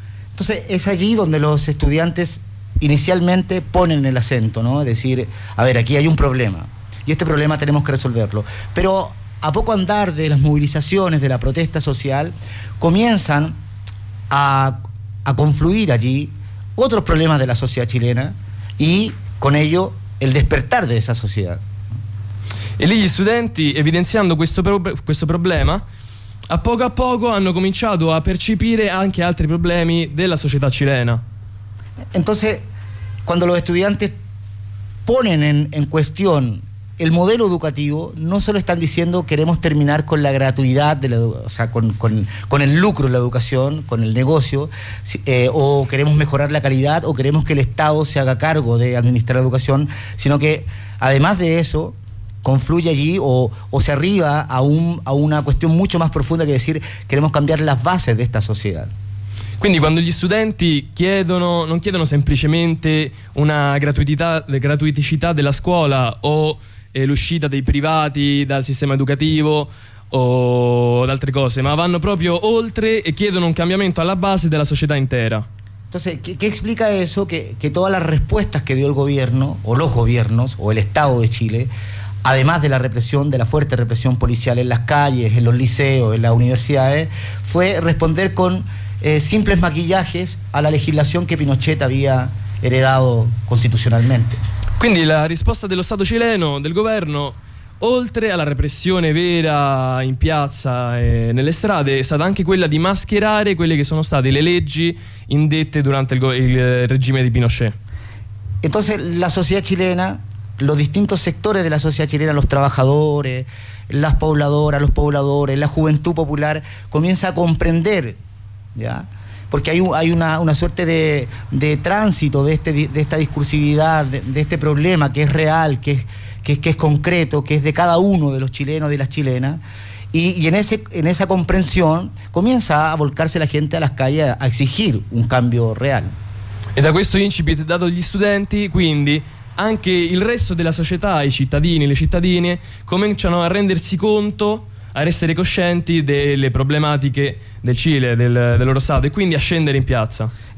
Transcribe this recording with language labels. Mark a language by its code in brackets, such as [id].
[es] Entonces es allí donde los estudiantes inicialmente ponen el acento, ¿no? Es decir, a ver, aquí hay un problema y este problema tenemos que resolverlo. Pero a poco andar de las movilizaciones, de la protesta social, comienzan a confluir allí otros problemas de la sociedad chilena y con ello el despertar de esa sociedad. [it] E lì gli studenti, evidenziando questo problema, a poco hanno cominciato a percepire anche altri problemi della società cilena. [es] Entonces, cuando los estudiantes ponen en cuestión el modelo educativo, no solo están diciendo queremos terminar con la gratuidad de la, o sea, con el lucro en la educación, con el negocio, o queremos mejorar la calidad, o queremos que el Estado se haga cargo de administrar la educación, sino que además de eso, confluye allí o se arriba a una cuestión mucho más profunda, que decir queremos cambiar las bases de esta sociedad. [it] Quindi quando gli studenti non chiedono semplicemente una gratuiticità della scuola o l'uscita dei privati dal sistema educativo o ad altre cose, ma vanno proprio oltre e chiedono un cambiamento alla base della società intera. [es] Entonces, ¿qué explica eso? Que todas las respuestas que dio el gobierno, o los gobiernos, o el Estado de Chile, además de la represión, de la fuerte represión policial en las calles, en los liceos, en las universidades, fue responder con simples maquillajes a la legislación que Pinochet había heredado constitucionalmente. [it] Quindi la risposta dello Stato cileno, del governo, oltre alla repressione vera in piazza e nelle strade, è stata anche quella di mascherare quelle che sono state le leggi indette durante il regime di Pinochet. [es] Entonces la sociedad chilena, los distintos sectores de la sociedad chilena, los trabajadores, las pobladoras, los pobladores, la juventud popular, comienza a comprender, ¿ya? Porque hay una suerte de tránsito de esta discursividad, de este problema que es real, que es concreto, que es de cada uno de los chilenos y de las chilenas. Y en esa comprensión comienza a volcarse la gente a las calles a exigir un cambio real. [it] E da questo incipit dato agli studenti, quindi anche il resto della società, i cittadini e le cittadine, cominciano a rendersi conto, a essere coscienti delle problematiche del Cile, del loro stato, e quindi a scendere in piazza.